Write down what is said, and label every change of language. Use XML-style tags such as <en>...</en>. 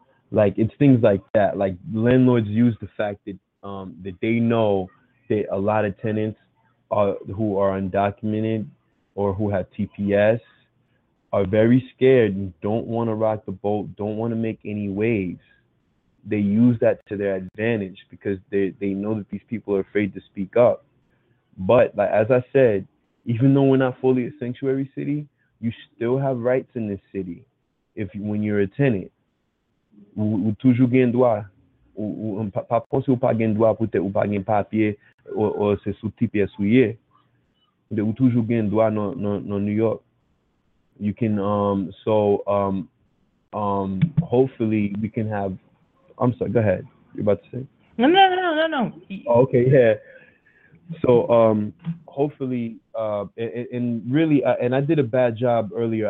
<en>Like, it's things like that. Like, landlords use the fact that that they know that a lot of tenants who are undocumented or who have TPS are very scared and don't want to rock the boat, don't want to make any waves. They use that to their advantage because they know that these people are afraid to speak up. But like, as I said, even though we're not fully a sanctuary city, you still have rights in this city when you're a tenant.</en> <ht>Ou toujou gen dwa, ou pa pose ou pa gen dwa pou te ou pa gen papye ou se sou TPS ou ye. Ou toujou gen dwa nan New York.</ht> <en>You can, hopefully we can have, I'm sorry, go ahead. You're about to say? No. Okay, yeah. So hopefully, and I did a bad job earlier.</en>